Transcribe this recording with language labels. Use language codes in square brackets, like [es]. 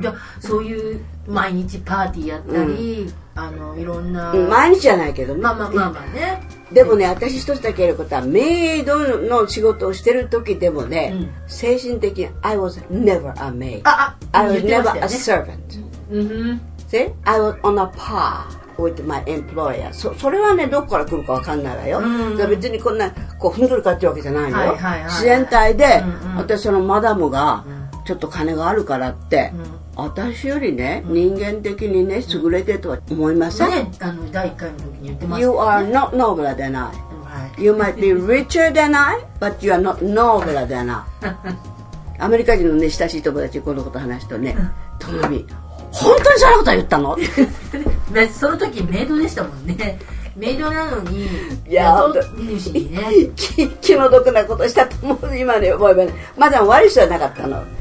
[ja] でそういう毎日パーティーやったり、うん、あのいろんな、毎日じゃないけど、まあね。でもね、私一つだけやることはメイドの仕事をしてる時でもね、うん、精神的に [en] I was never a maid、 I was never a servant、 [ja] うん、 [en] See? I was on a par with my employer. [ja] それはね、どこから来るか分かんないわよ。うん、別にこんなこうふんどり買ってるわけじゃないのよ、はいはいはい。自然体で、うんうん、私そのマダムがちょっと金があるからって、うん、私よりね、うん、人間的にね、優れてるとは思いません。ね、あの第1回の時に言ってますよ、ね。 [en] You are not nobler than I.、 Right. You might be richer than I, but you are not nobler than I. [ja] アメリカ人のね、親しい友達にこのこと話すとね、ともみ、本当にそんなこと言ったの？その時メイドでしたもんね。メイドなのに、いや、本当に、気の毒なことしたと思う。今ね、思えばね。まだ悪い人はなかったの。